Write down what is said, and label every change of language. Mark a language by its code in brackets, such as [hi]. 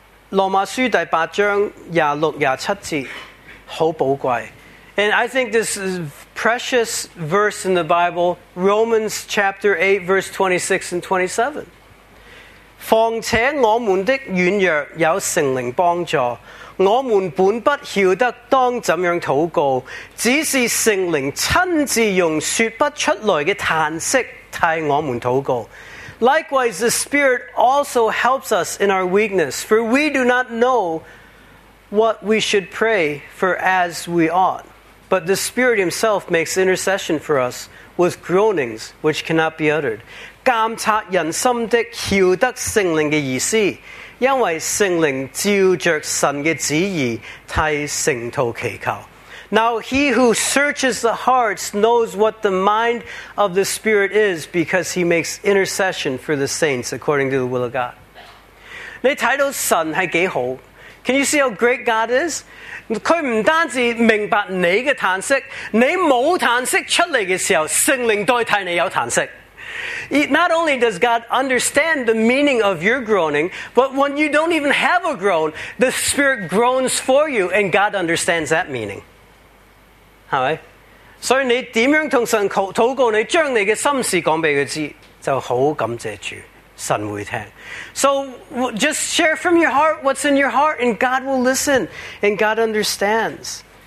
[yue] 罗马书第八章26-27节好宝贵。 [en] And I think this is a precious verse in the Bible, Romans chapter 8, verse 26-27. [yue] 况且我们的软弱有圣灵帮助，我们本不晓得当怎样祷告，只是圣灵亲自用说不出来的叹息替我们祷告。 [en] Likewise, the Spirit also helps us in our weakness, for we do not know what we should pray for as we ought. But the Spirit Himself makes intercession for us with groanings which cannot be uttered. [yue] 监察人心的晓得圣灵的意思，因为圣灵照着神的旨意替圣徒祈求。 [en] Now he who searches the hearts knows what the mind of the Spirit is because he makes intercession for the saints according to the will of God. [yue] 你睇到神系几好？ [en] Can you see how great God is? [yue] 他不单止明白你的叹息，你没叹息出来的时候，圣灵代替你有叹息。 [en] Not only does God understand the meaning of your groaning, but when you don't even have a groan, the Spirit groans for you, and God understands that meaning. [yue] 是吧？所以你怎样跟神祷告，你将你的心事告诉他，就好感谢主。神会听。 [en] So just share from your heart what's in your heart and God will listen and God understands.